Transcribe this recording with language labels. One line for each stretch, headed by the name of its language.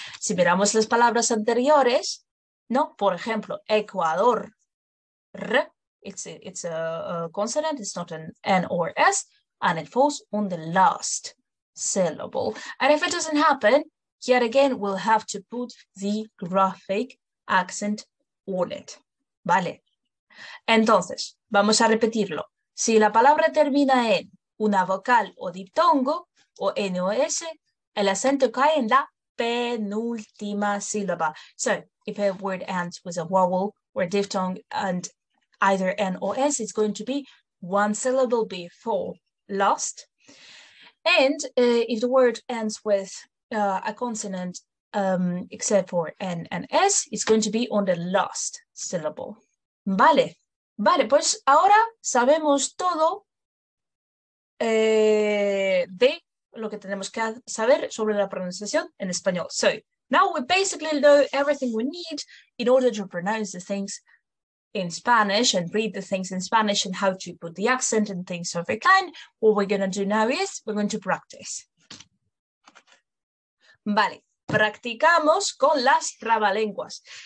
Spanish: Si miramos las palabras anteriores, ¿no? Por ejemplo,
English: Ecuador, R, it's a consonant, it's not an N or S, and it falls on the last syllable. And if it doesn't happen, yet again, we'll have to put the graphic accent on it,
Spanish: ¿vale? Entonces, vamos a repetirlo. Si la palabra termina en una vocal o diptongo o N o S, el acento cae en la penúltima sílaba.
English: So, if a word ends with a vowel or a diphthong and either N o S, it's going to be one syllable before last. And if the word ends with a consonant except for N and S, it's going to be on the last syllable.
Spanish: Vale. Vale, pues ahora sabemos todo de lo que tenemos que saber sobre la pronunciación en español.
English: So, now we basically know everything we need in order to pronounce the things in Spanish and read the things in Spanish and how to put the accent and things of a kind. What we're going to do now is we're going to practice.
Spanish: Vale, practicamos con las trabalenguas.